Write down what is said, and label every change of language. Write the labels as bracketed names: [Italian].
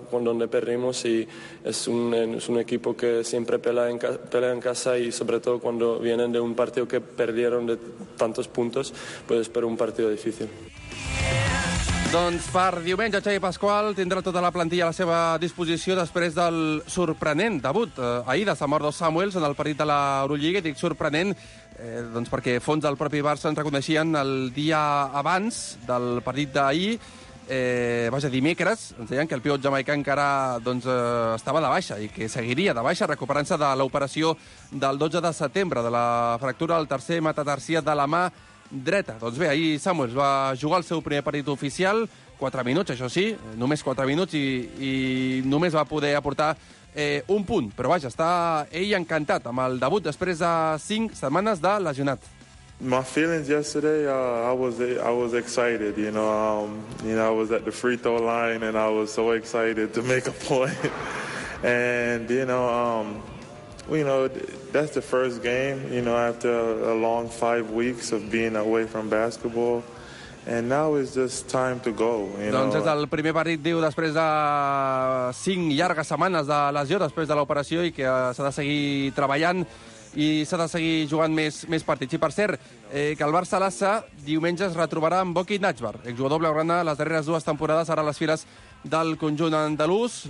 [Spanish] Con donde perdimos, y es un equipo que siempre pelea en casa, y sobre todo cuando vienen de un partido que perdieron de tantos puntos, pues espero un partido difícil. [Catalan] Doncs per diumenge, Xavi Pascual tindrà tota la plantilla a la seva disposició després del sorprenent debut ahir de Samardo Samuels en el partit de la Eurolliga. Dic sorprenent doncs perquè fons del propi Barça ens reconeixien el dia abans del partit d'ahir vaja, dimecres, ens deien que el pivot jamaicà encara doncs, estava de baixa i que seguiria de baixa, recuperant-se de l'operació del 12 de setembre, de la fractura del tercer metatarsià de la mà dreta. Doncs bé, ahir Samuels va jugar el seu primer partit oficial, 4 minuts, això sí, només 4 minuts, i només va poder aportar un punt. Però vaja, està ell encantat amb el debut després de 5 setmanes de lesionat. [English] My feelings yesterday, I was excited, you know. I was at the free throw line and I was so excited to make a point. And, you know, that's the first game, you know, after a long 5 weeks of being away from basketball. And now it's just time to go, you [Catalan] doncs [English] know. [Catalan] És el primer partit, diu, després de 5 llargues setmanes de lesió, després de l'operació, i que s'ha de seguir treballant i s'ha de seguir jugant més partits. I, per cert, que el Barça Lassa diumenge es retrobarà amb Boki Nachbar, exjugador blaugrana les darreres dues temporades, ara a les files del conjunt andalús.